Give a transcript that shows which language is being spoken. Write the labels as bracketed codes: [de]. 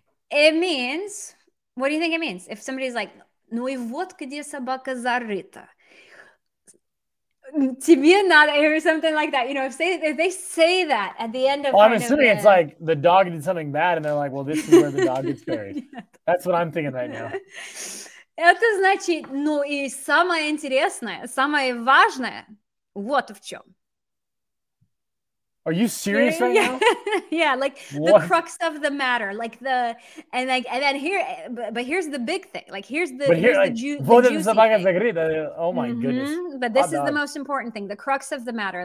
[en] It means, what do you think it means? If somebody's like, [ru] ну и вот где собака зарыта. Тебе надо, [en] or something like that. You know, if they say that at the end of the Well, I'm assuming it's like the dog did something bad and they're like, well, this is where the dog gets buried. Yeah. That's what I'm thinking right now. [ru] Это значит, ну и самое интересное, самое важное, вот в чем. [en] Are you serious right now? Yeah, like what? The crux of the matter, like the and like and then here, but here's the big thing. Like here's the juicy thing. Oh my goodness! But this is the most important thing, the crux of the matter.